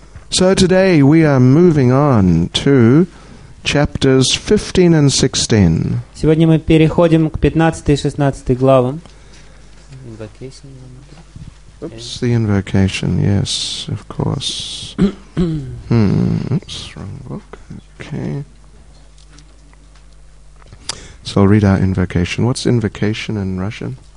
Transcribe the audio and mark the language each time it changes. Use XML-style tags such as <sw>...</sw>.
<en>So today we are moving on to chapters 15 and 16.</en> <ru>Сегодня мы переходим к 15 и 16 главам.</ru> <en>Oops, the invocation, yes, of course. Oops, wrong book. Okay. So I'll read out invocation. What's invocation in Russian?</en>